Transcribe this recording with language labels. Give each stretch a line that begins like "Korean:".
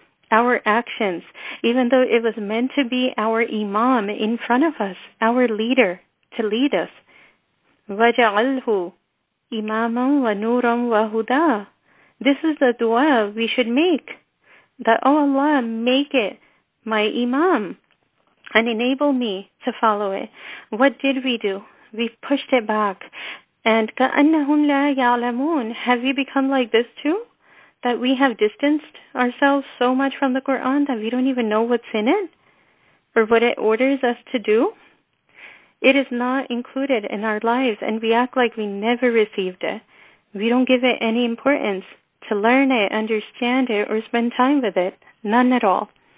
English: Our actions, even though it was meant to be our imam in front of us, our leader to lead us.
Arabic: وَجَعَلْهُ إِمَامًا وَنُورًا وَهُدًى.
English: This is the dua we should make. That, oh Allah, make it my imam. and enable me to follow it. What did we do? We pushed it back.
Arabic: And كَأَنَّهُمْ لَا يَعْلَمُونَ.
English: Have we become like this too? That we have distanced ourselves so much from the Quran that we don't even know what's in it? Or what it orders us to do? It is not included in our lives, and we act like we never received it. We don't give it any importance to learn it, understand it, or spend time with it. None at all.